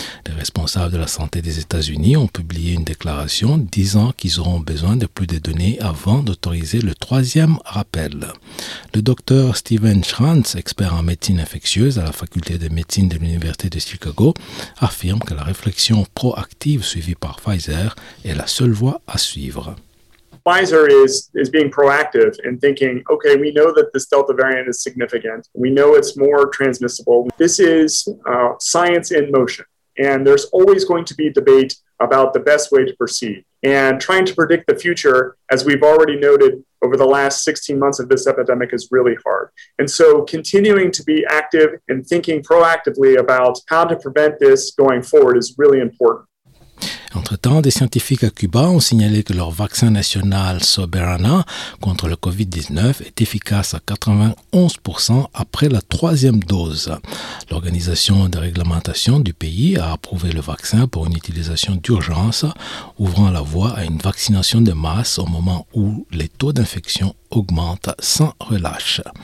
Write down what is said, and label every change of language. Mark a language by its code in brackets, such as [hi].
[fr] Les responsables de la santé des États-Unis ont publié une déclaration disant qu'ils auront besoin de plus de données avant d'autoriser le troisième rappel. Le docteur Steven Schrantz, expert en médecine infectieuse à la faculté de médecine de l'Université de Chicago, affirme que la réflexion proactive suivie par Pfizer est la seule voie à suivre. [en] Pfizer is being proactive and thinking, okay, we know that this Delta variant is significant. We know it's more transmissible. This is science in motion. And there's always going to be debate about the best way to proceed. And trying to predict the future, as we've already noted over the last 16 months of this epidemic, is really hard. And so continuing to be active and thinking proactively about how to prevent this going forward is really important. [fr] Entre-temps, des scientifiques à Cuba ont signalé que leur vaccin national Soberana contre le COVID-19 est efficace à 91% après la troisième dose. L'organisation de réglementation du pays a approuvé le vaccin pour une utilisation d'urgence, ouvrant la voie à une vaccination de masse au moment où les taux d'infection augmentent sans relâche.